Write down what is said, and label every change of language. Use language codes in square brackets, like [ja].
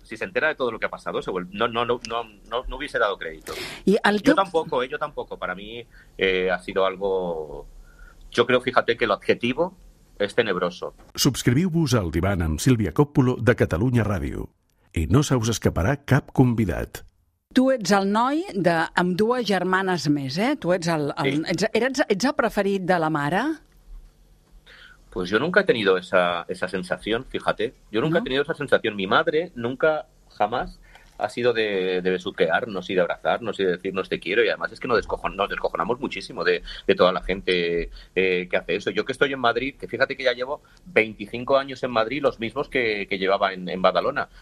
[es] Si se entera de todo lo que ha pasado, no hubiese dado crédito. Yo tampoco. Para mí ha sido algo... Yo creo, fíjate, que el adjetivo es tenebroso. [ca] Subscriviu-vos al Divan amb Sílvia Còpulo de Catalunya Ràdio. I no se us escaparà cap convidat. Tu ets el noi de, amb dues germanes més, eh? Tu ets el, sí. ets el preferit de la mare? [es] Pues yo nunca he tenido esa sensación, fíjate. He tenido esa sensación. Mi madre nunca, jamás, ha sido de besuquearnos y de abrazarnos y de decirnos te quiero. Y además es que nos descojonamos muchísimo de toda la gente que hace eso. Yo que estoy en Madrid, que fíjate que ya llevo 25 años en Madrid, los mismos que llevaba en Badalona.